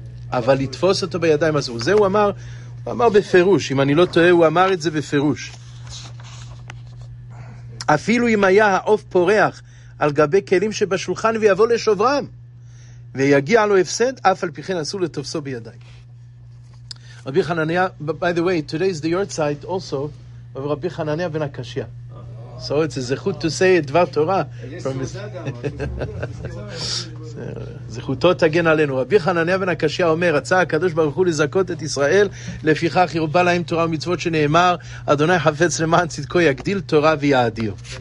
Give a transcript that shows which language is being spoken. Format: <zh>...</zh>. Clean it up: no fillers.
<he>אבל לתפוס אותו בידיים אסור. זה הוא אמר בפירוש, אם אני לא טועה, הוא אמר את זה בפירוש. אפילו אם היה העוף פורח על גבי כלים שבשולחן ויבוא לשוברם, ויגיע לו הפסד, אף על פי כן אסור לתפסו בידיים.</he> <en>רבי חנניה, by the way, today is the yortzeit also of רבי חנניה בן הקשיא. So it's a זכות to say את דבר תורה.</en> <he>זכותו תגן עלינו. רבי חנניה בן הקשיא אומר, רצה הקדוש ברוך הוא לזכות את ישראל, לפיכך ירבה להם תורה ומצוות שנאמר, אדוני חפץ למען צדקו יגדיל תורה ויאדיר.</he>